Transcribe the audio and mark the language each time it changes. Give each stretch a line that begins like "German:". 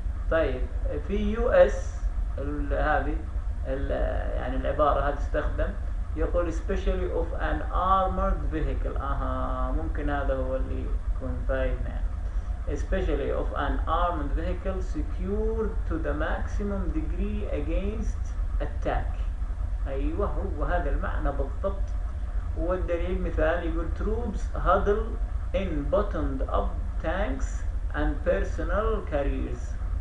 Arabic: طيب في US هذه يعني العبارة هذه تستخدم، يقول
English: especially of an armored vehicle.
Arabic: أها ممكن هذا هو اللي يكون فاهم،
English: especially of an armored vehicle secured to the maximum degree against attack.
Arabic: ايوه هو هذا المعنى بالضبط. والدليل مثال يقول
English: troops huddle in buttoned up tanks and personal carriers.